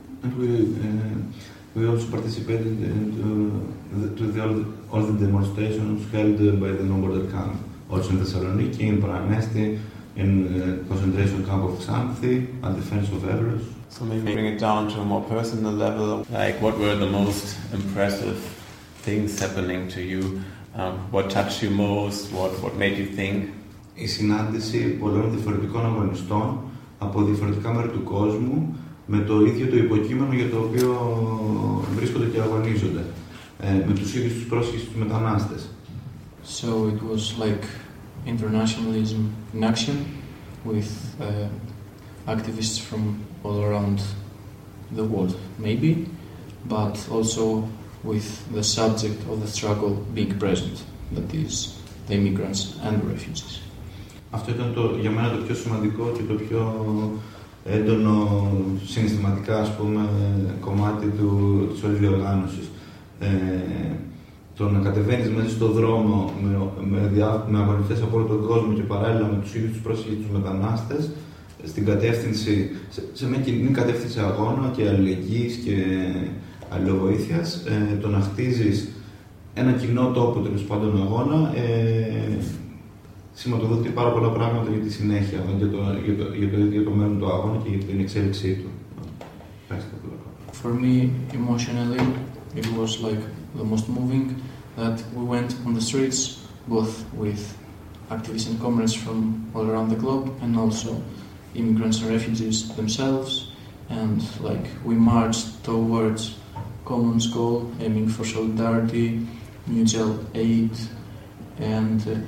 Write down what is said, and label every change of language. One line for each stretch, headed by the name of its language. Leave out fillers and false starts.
English: And we also participated in all the demonstrations held by the No Border Camp. Also in Thessaloniki, in Paramesti, in concentration camp of Xanthi, at the defense of Everest. So maybe bring it down to a more personal level. Like, what were the most impressive things happening to you? What touched you most? What made you think?
Greek: Η συνάντηση πολλών διαφορετικών αγωνιστών από διαφορετικά μέρη του κόσμου με το ίδιο το υποκείμενο για το οποίο βρίσκονται και αγωνίζονται, με τους ίδιους τους πρόσχησης τους μετανάστες.
English: So it was like internationalism in action with activists from all around the world, maybe, but also with the subject of the struggle being present, that is, the immigrants and the refugees.
Greek: Αυτό ήταν το για μένα το πιο σημαντικό και το πιο έντονο συναισθηματικά, ας πούμε, κομμάτι της όλης διοργάνωσης. Το να κατεβαίνεις μέσα στον δρόμο με αγωνιστές από όλο τον κόσμο και παράλληλα με τους ίδιους τους πρόσφυγες, τους μετανάστες, στην κατεύθυνση, σε μια κοινή κατεύθυνση αγώνα και αλληλεγγύης και αλληλοβοήθειας, το να χτίζεις ένα κοινό τόπο τέλος πάντων αγώνα, σηματοδοτεί πάρα πολλά πράγματα για τη συνέχεια, για το ίδιο το μέλλον του αγώνα και για την εξέλιξή του.
English: For me, emotionally, it was like the most moving that we went on the streets, both with activists and comrades from all around the globe, and also immigrants and refugees themselves. And like we marched towards common goal, aiming for solidarity, mutual aid, and.